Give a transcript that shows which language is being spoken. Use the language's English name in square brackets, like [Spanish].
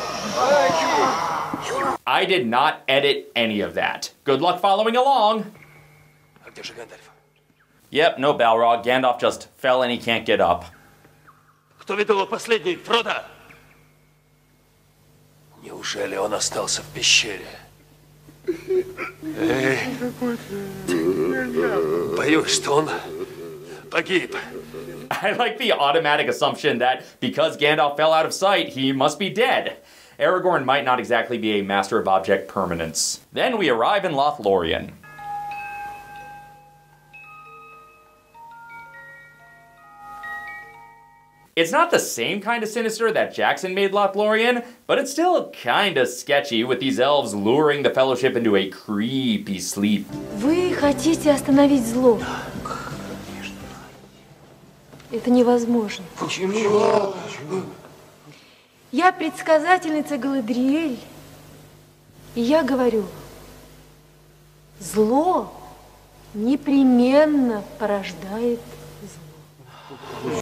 [English] I did not edit any of that. Good luck following along. Yep, no Balrog. Gandalf just fell and he can't get up. [Russian] Кто видел последний Фродо? Неужели он остался в пещере? Боюсь, что он погиб. [English] I like the automatic assumption that because Gandalf fell out of sight, he must be dead. Aragorn might not exactly be a master of object permanence. Then we arrive in Lothlorien. It's not the same kind of sinister that Jackson made Lothlorien, but it's still kinda sketchy with these elves luring the fellowship into a creepy sleep. [Russian] Вы хотите остановить зло? Это невозможно. Почему? Я предсказательница Галадриэль, и я говорю, зло непременно порождает зло.